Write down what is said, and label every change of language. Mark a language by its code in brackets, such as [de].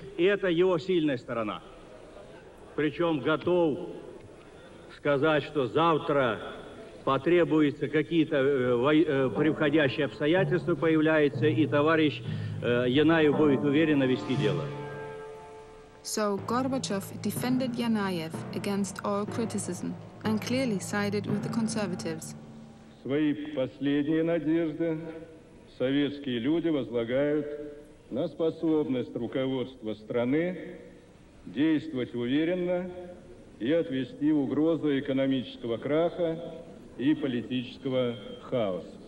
[ru] Это его сильная сторона. Причем готов сказать, что завтра потребуются какие-то приходящие обстоятельства появляются, и товарищ Янаев будет уверенно вести дело. [en] So Gorbachev defended Yanayev against all criticism and clearly sided with the conservatives. [ru] Свои последние надежды советские люди возлагают на способность руководства страны действовать уверенно и отвести угрозу экономического краха и политического хаоса.